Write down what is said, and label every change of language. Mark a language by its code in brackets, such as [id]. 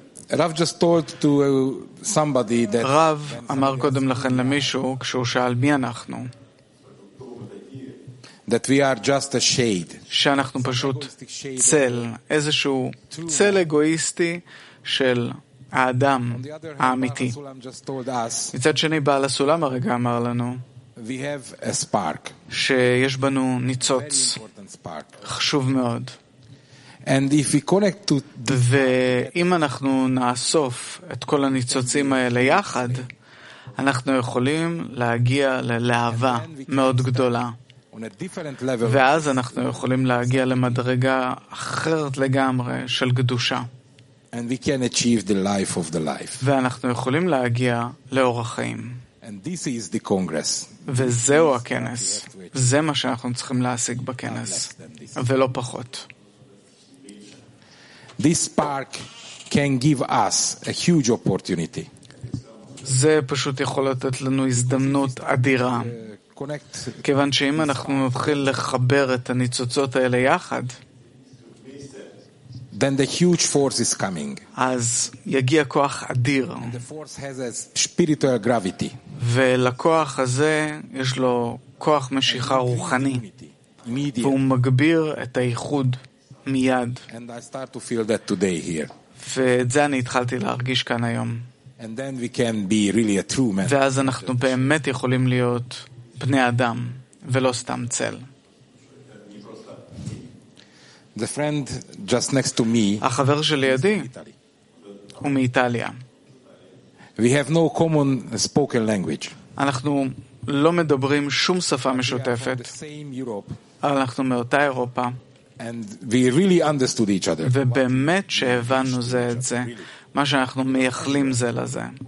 [en] Rav just told to somebody that [he] Rav אמר קודם לכן למישהו כשהוא שאל מי אנחנו [en] that we are just a shade [he] שאנחנו פשוט צל איזשהו צל אגואיסטי של האדם האמיתי מצד שני בעל הסולם הרגע אמר לנו [en] we have a spark [he] שיש בנו ניצוץ חשוב מאוד [en] and if we connect to [he] ואם אנחנו נאסוף את כל הניצוצים האלה יחד אנחנו יכולים להגיע ללהבה מאוד גדולה ואז אנחנו יכולים להגיע למדרגה אחרת לגמרי של קדושה [en] and we can achieve the life of the life [he] ואנחנו יכולים להגיע לאור החיים [en] and this is the congress [he] וזהו הכנס זה מה שאנחנו צריכים להשיג בכנס ולא פחות [en] This spark can give us a huge opportunity. [he] זה פשוט יכול לתת לנו הזדמנות אדירה. כיוון שאם אנחנו נתחיל לחבר את הניצוצות האלה יחד, [en] then the huge force is coming. [he] אז יגיע כוח אדיר. [en] And the force has a spiritual gravity. [he] ולכוח הזה יש לו כוח משיכה רוחני. [en] Immediate. [he] והוא מגביר את האיחוד. מיד. [en] And I start to feel that today here. [he] ואת זה אני התחלתי להרגיש כאן היום. [en] And then we can be really a true man. [he] ואז אנחנו באמת יכולים להיות בני אדם ולא סתם צל. [en] The friend just next to me. [he] החבר שלידי. הוא מאיטליה. [en] We have no common spoken language. [he] אנחנו לא מדברים שום שפה משותפת. אנחנו מאותה אירופה. [en] And we really understood each other. [he] ובאמת שהבנו זה את זה, מה שאנחנו מייחלים זה לזה.